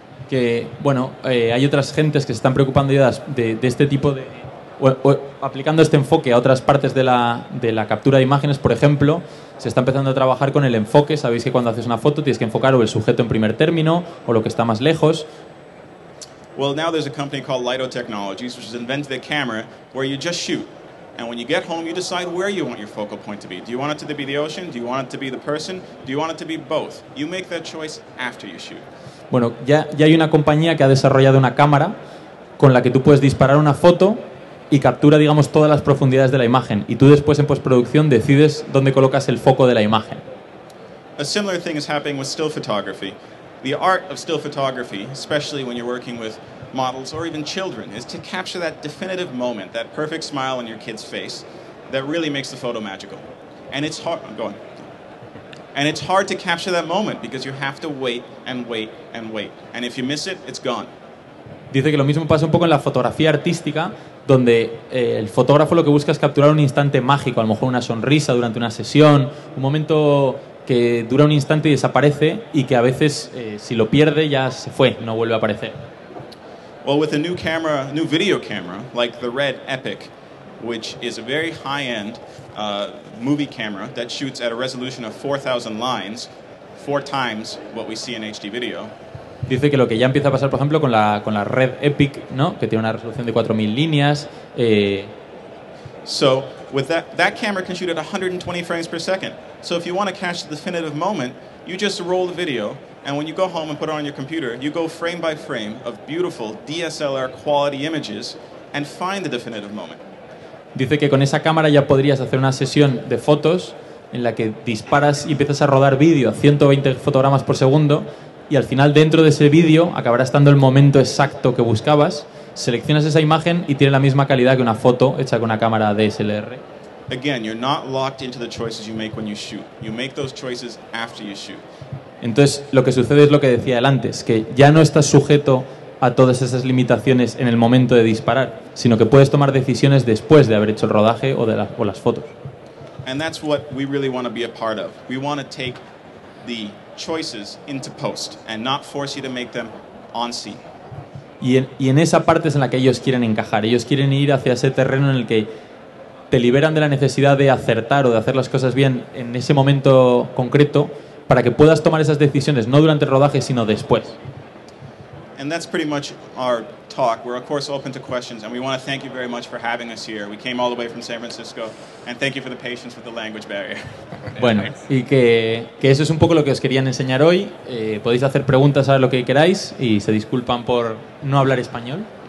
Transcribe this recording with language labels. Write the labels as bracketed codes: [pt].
[es] Que, bueno, hay otras gentes que se están preocupando ya de este tipo de... O aplicando este enfoque a otras partes de la captura de imágenes, por ejemplo, se está empezando a trabajar con el enfoque. Sabéis que cuando haces una foto tienes que enfocar o el sujeto en primer término o lo que está más lejos. [en] Well, now there's a company called Lido Technologies, which has invented a camera where you just shoot. And when you get home, you decide where you want your focal point to be. Do you want it to be the ocean? Do you want it to be the person? Do you want it to be both? You make that choice after you shoot. [es] Bueno, ya hay una compañía que ha desarrollado una cámara con la que tú puedes disparar una foto y captura, digamos, todas las profundidades de la imagen. Y tú después, en postproducción, decides dónde colocas el foco de la imagen. [en] A similar thing is happening with still photography. The art of still photography, especially when you're working with models or even children, is to capture that definitive moment, that perfect smile on your kid's face, that really makes the photo magical. And it's hard... I'm going. And it's hard to capture that moment because you have to wait and wait and wait. And if you miss it, it's gone. [es] Dice que lo mismo pasa un poco en la fotografía artística, donde el fotógrafo lo que busca es capturar un instante mágico, a lo mejor una sonrisa durante una sesión, un momento que dura un instante y desaparece y que a veces si lo pierde ya se fue, no vuelve a aparecer. [en] Well, with a new camera, new video camera, like the Red Epic, which is a very high-end movie camera that shoots at a resolution of 4,000 lines, four times what we see in HD video. [es] Dice que lo que ya empieza a pasar, por ejemplo, con la Red Epic, ¿no? Que tiene una resolución de 4,000 líneas. [en] So, with that camera can shoot at 120 frames per second. So if you want to catch the definitive moment, you just roll the video, and when you go home and put it on your computer, you go frame by frame of beautiful DSLR quality images and find the definitive moment. [es] Dice que con esa cámara ya podrías hacer una sesión de fotos en la que disparas y empiezas a rodar vídeo a 120 fotogramas por segundo y al final dentro de ese vídeo acabará estando el momento exacto que buscabas, seleccionas esa imagen y tiene la misma calidad que una foto hecha con una cámara DSLR. [en] Again, you're not locked into the choices you make when you shoot. You make those choices after you shoot. [es] Entonces, lo que sucede es lo que decía él antes, que ya no estás sujeto a todas esas limitaciones en el momento de disparar, sino que puedes tomar decisiones después de haber hecho el rodaje o de las fotos. [en] And that's what we really want to be a part of. We want to take the choices into post and not force you to make them on scene. [es] Y en esa parte es en la que ellos quieren encajar. Ellos quieren ir hacia ese terreno en el que te liberan de la necesidad de acertar o de hacer las cosas bien en ese momento concreto para que puedas tomar esas decisiones no durante el rodaje sino después. [en] And that's pretty much our talk. We're of course open to questions and we want to thank you very much for having us here. We came all the way from San Francisco and thank you for the patience with the language barrier. [es] Bueno, y que eso es un poco lo que os querían enseñar hoy. Podéis hacer preguntas a lo que queráis y se disculpan por no hablar español.